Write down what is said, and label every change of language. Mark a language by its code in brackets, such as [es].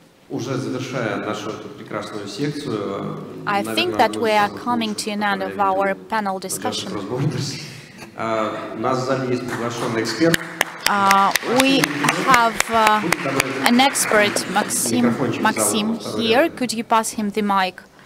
[ru] Уже завершая нашу прекрасную секцию, [en] I think that we are coming to an end of our panel discussion. [ru] У нас в зале есть приглашенный эксперт. [en] We have an expert, Максим, here. Could you pass him the mic?